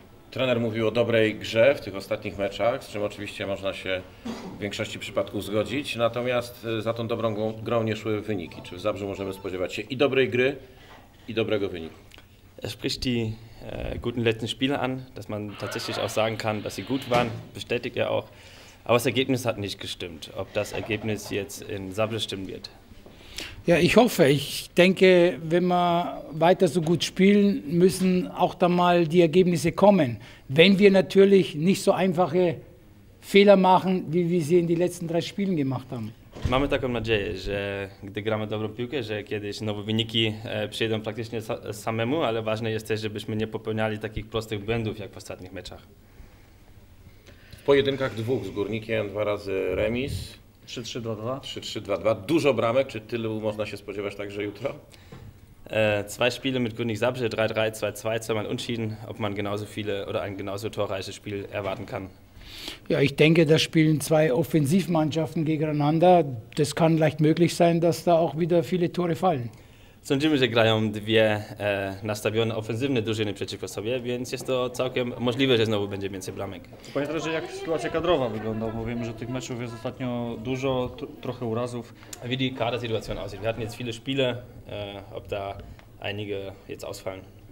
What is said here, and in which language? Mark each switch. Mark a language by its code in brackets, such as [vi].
[pl] Trener mówił o dobrej grze w tych ostatnich meczach, z czym oczywiście można się w większości przypadków zgodzić. Natomiast za tą dobrą grą nie szły wyniki. Czy w Zabrzu możemy spodziewać się i dobrej gry, i dobrego wyniku? [de] Er spricht die guten letzten Spiele an, dass man tatsächlich auch sagen kann, dass sie gut waren, bestätigt er auch. Aber das Ergebnis hat nicht gestimmt, ob das Ergebnis jetzt in Zabrze stimmen wird. Ja, ich hoffe. Ich denke, wenn wir weiter so gut spielen, müssen auch dann mal die Ergebnisse kommen. Wenn wir natürlich nicht so einfache Fehler machen, wie wir sie in den letzten drei Spielen gemacht haben. [pl] Mamy taką nadzieję, że gdy gramy dobrą piłkę, że kiedyś nowe wyniki przyjdą praktycznie samemu, ale ważne jest też, żebyśmy nie popełniali takich prostych błędów jak w ostatnich meczach. W pojedynkach dwóch z Górnikiem, dwa razy remis. 3-3-2-2. Dużo bramek, czy tylu można się spodziewać także jutro? [de] Zwei Spiele mit Górnik Zabrze, 3-3, 2-2, zweimal unschieden, ob man genauso viele oder ein genauso torreiches Spiel erwarten kann. Ja, ich denke, da spielen zwei Offensivmannschaften gegeneinander. Das kann leicht möglich sein, dass da auch wieder viele Tore fallen. [pl] Sądzimy, że grają dwie nastawione ofensywne drużyny przeciwko sobie, więc jest to całkiem możliwe, że znowu będzie więcej bramek. Pamiętaj, że jak sytuacja kadrowa wygląda, bo wiemy, że tych meczów jest ostatnio dużo, trochę urazów. [de] Wie die Kadersituation aussieht. Wir hatten jetzt viele Spiele, ob da einige jetzt ausfallen.